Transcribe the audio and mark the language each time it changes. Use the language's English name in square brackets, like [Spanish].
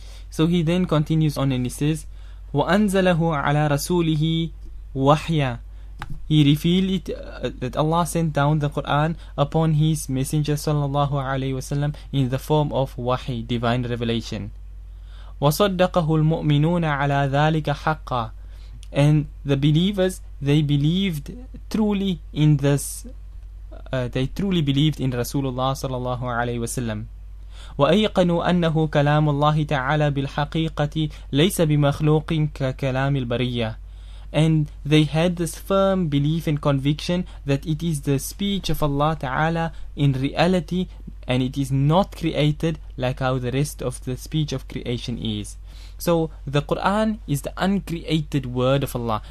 [English] So he then continues on and he says, [Arabic] وَأَنزَلَهُ عَلَىٰ رَسُولِهِ وَحْيًا. [English] He revealed it, that Allah sent down the Quran upon his messenger sallallahu alayhi wasallam in the form of wahi, divine revelation. [Arabic] وصدقه المؤمنون على ذلك حقا. [English] And the believers, they believed truly in this, they truly believed in Rasulullah sallallahu alayhi wasallam. [Arabic] وأيقنوا أنه كلام الله تعالى بالحقيقة ليس بمخلوق ككلام البرية. [English] And they had this firm belief and conviction that it is the speech of Allah Ta'ala in reality, and it is not created like how the rest of the speech of creation is. So the Quran is the uncreated word of Allah.